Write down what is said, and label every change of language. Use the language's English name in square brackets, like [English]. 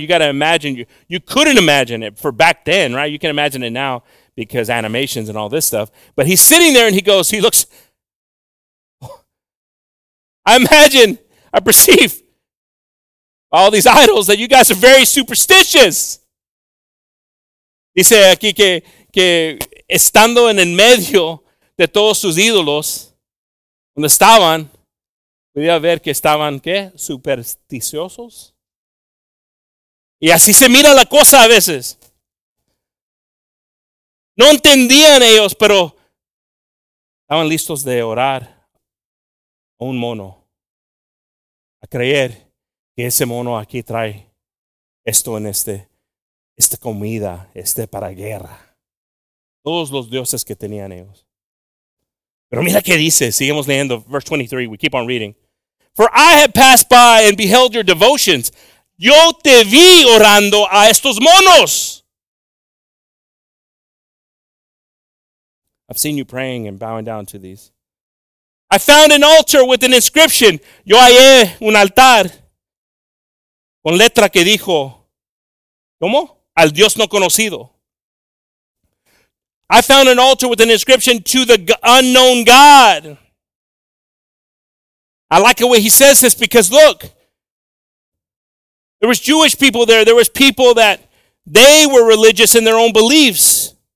[English] You got to imagine, you couldn't imagine it for back then, right? You can imagine it now because animations and all this stuff. But he's sitting there and he looks, I perceive all these idols that you guys are very superstitious. [Spanish] Dice aquí que estando en el medio de todos sus ídolos, donde estaban, podía ver que estaban, ¿qué? Supersticiosos. Y así se mira la cosa a veces. No entendían ellos, pero estaban listos de orar a un mono, a creer que ese mono aquí trae esto en esta comida, este para guerra. Todos los dioses que tenían ellos. Pero mira qué dice, sigamos leyendo, [English] verse 23, we keep on reading. For I have passed by and beheld your devotions. [Spanish] Yo te vi orando a estos monos. [English] I've seen you praying and bowing down to these. I found an altar with an inscription. [Spanish] Yo hallé un altar con letra que dijo, ¿cómo? Al Dios no conocido. [English] I found an altar with an inscription to the unknown God. I like the way he says this because look, there was Jewish people there. There was people that they were religious in their own beliefs.